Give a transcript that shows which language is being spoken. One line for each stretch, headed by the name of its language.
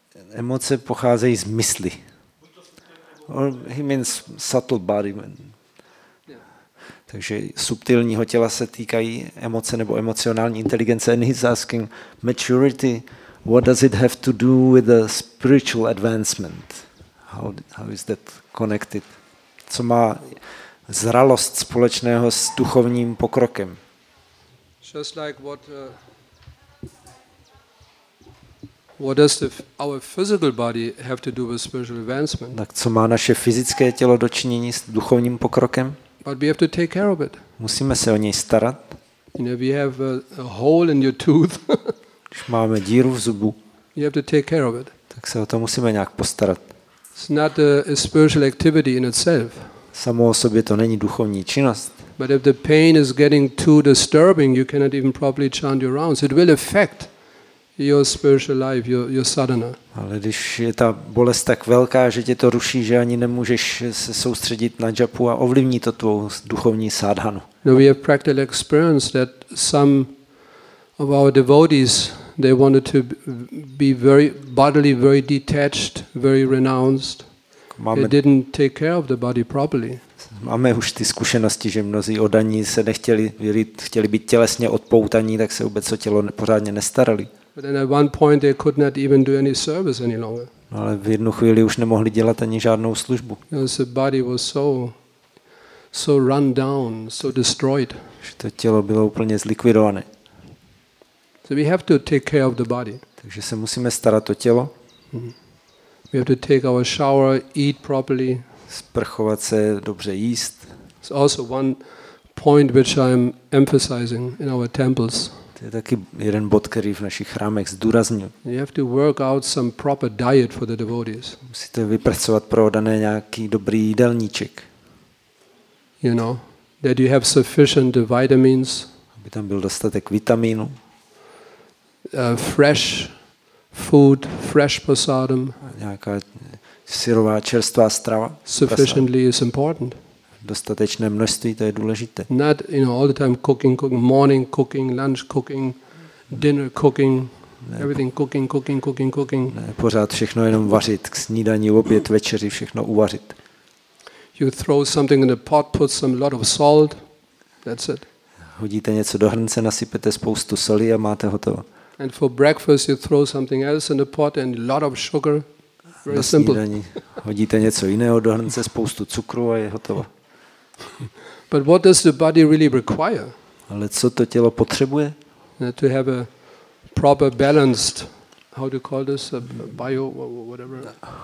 Czech: Emoce pocházejí z mysli.
English: Or he means subtle body.
Czech: Takže subtilního těla se týkají emoce nebo emocionální inteligence.
English: And he's asking maturity. What does it have to do with the spiritual advancement? How is that connected?
Czech: Co má zralost společného s duchovním pokrokem.
English: Just like what does our physical body have to do with spiritual advancement?
Czech: Tak co má naše fyzické tělo dočinění s duchovním pokrokem?
English: But we have to take care of it.
Czech: Musíme se o něj starat.
English: You know, we have a hole in your tooth.
Czech: Když máme díru v zubu.
English: You have to take care of it.
Czech: Tak se o to musíme nějak postarat.
English: It's not a spiritual activity in itself.
Czech: Samo o sobě to není duchovní činnost.
English: But if the pain is getting too disturbing, you cannot even properly chant your rounds. It will affect your spiritual life, your sadhana.
Czech: Ale když je ta bolest tak velká, že tě to ruší, že ani nemůžeš se soustředit na japu a ovlivní to tvou duchovní sadhanu.
English: No, we have practical experience that some of our devotees, they wanted to be very bodily, very detached, very renounced. They didn't take care of the body properly.
Czech: Máme už ty zkušenosti, že mnozí odaní se nechtěli vyrýt, chtěli být tělesně odpoutaní, tak se vůbec o tělo pořádně nestarali.
English: But then at one point they could not even do any service any longer.
Czech: No, ale v jednu chvíli už nemohli dělat ani žádnou službu.
English: The body was so run down, so destroyed.
Czech: Že to tělo bylo úplně zlikvidované.
English: So we have to take care of the body.
Czech: Takže se musíme starat o tělo.
English: We have to take our shower, eat properly.
Czech: Sprchovat se, dobře jíst.
English: It's also one point which I'm emphasizing in our temples.
Czech: To je taky jeden bod, který v našich chrámech zdůraznil.
English: You have to work out some proper diet for the devotees.
Czech: Musíte vypracovat pro dané nějaký dobrý jídelníček.
English: You know, that you have sufficient vitamins.
Czech: Aby tam byl dostatek vitaminů.
English: Fresh food, fresh prasadam.
Czech: Nějaká syrová čerstvá strava.
English: Sufficiently is important.
Czech: Dostatečné množství, to je důležité.
English: Not, you know, all the time cooking, morning cooking, lunch cooking, dinner cooking, everything cooking.
Czech: Ne, pořád všechno jenom vařit, k snídani, oběd, večeři, všechno uvařit.
English: You throw something in the pot, put some lot of salt. That's it.
Czech: Hodíte něco do hrnce, nasypete spoustu soli a máte hotovo.
English: And for breakfast you throw something else in the pot and a lot of sugar. Very simple.
Czech: Snídani hodíte něco jiného do hrnce, spoustu cukru a je hotovo.
English: But what does the body really require?
Czech: Ale co to tělo potřebuje?
English: To have a proper balanced, how do you call this, a bio whatever.